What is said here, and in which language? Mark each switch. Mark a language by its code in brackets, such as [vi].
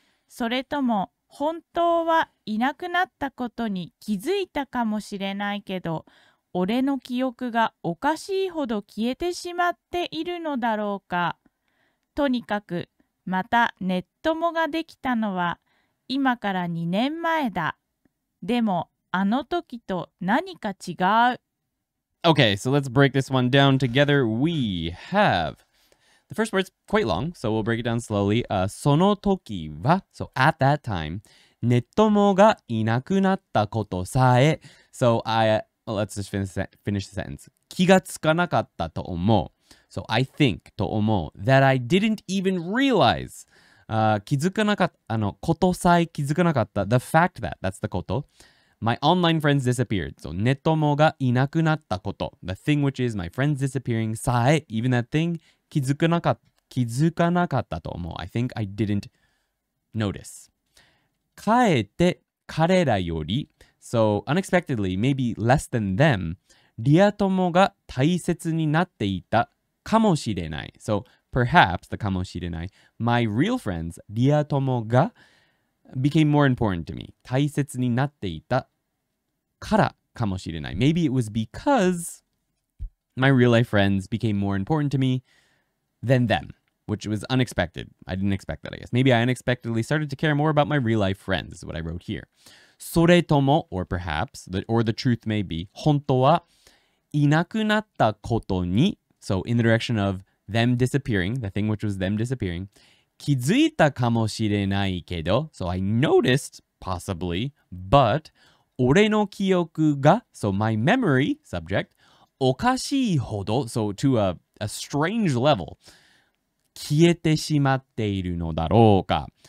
[ja] それとも本当はいなくなったことに気づいたかもしれないけど、俺の記憶がおかしいほど消えてしまっているのだろうか。とにかく、またネットモができたのは今から2年前だ。でもあの時と何か違う。 [en] Okay, so let's break this one down together. We have... The first word is quite long, so we'll break it down slowly. [ja] その時は、 [en] so at that time, [ja] ネットモがいなくなったことさえ。 [en] So I... Well, let's just finish the sentence. [ja] 気がつかなかったと思う。 [en] So I think, [ja] to omou, [en] that I didn't even realize, [ja] kizukanakatta, [en] the fact that, that's the [ja] koto, [en] my online friends disappeared. So [ja] netomo ga inakunatta koto, [en] the thing which is my friends disappearing, [ja] sae, [en] even that thing, [ja] kizukanakatta to omou, [en] I think I didn't notice. [ja] Kaete karera yori, [en] so unexpectedly, maybe less than them, [ja] riatomo ga taisetsu ni natte ita,かもしれない。 [en] So, perhaps, the [ja] かもしれない。 [en] My real friends, [ja] リア友が [en] became more important to me. [ja] 大切になっていたからかもしれない。 [en] Maybe it was because my real life friends became more important to me than them, which was unexpected. I didn't expect that, I guess. Maybe I unexpectedly started to care more about my real life friends, is what I wrote here. [ja] それとも、 [en] or perhaps, or the truth may be, [ja] 本当はいなくなったことに [en] So in the direction of them disappearing, the thing which was them disappearing, [ja] 気づいたかもしれないけど [en] So I noticed, possibly, but [ja] 俺の記憶が [en] So my memory, subject, [ja] おかしいほど [en] So to a strange level, [ja] 消えてしまっているのだろうか